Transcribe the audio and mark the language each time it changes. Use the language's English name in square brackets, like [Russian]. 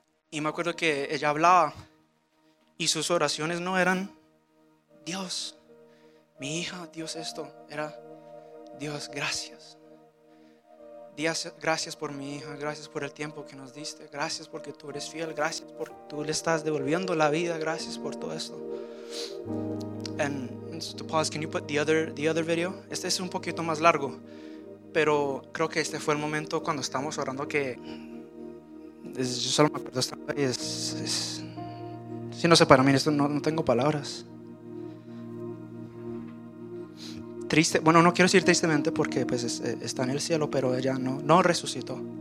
[Spanish] Y me acuerdo que ella hablaba y sus oraciones no eran, Dios, mi hija, Dios esto, era, Dios, gracias. Dios, gracias por mi hija, gracias por el tiempo que nos diste, gracias porque tú eres fiel, gracias porque tú le estás devolviendo la vida, gracias por todo esto. [English] And to pause, can you put the other video? [Spanish] Este es un poquito más largo, pero creo que este fue el momento cuando estábamos orando que yo solo me acuerdo esta vez. Si no sé, para mí esto no tengo palabras. Triste, bueno, no quiero decir tristemente porque pues está en el cielo, pero ella no resucitó.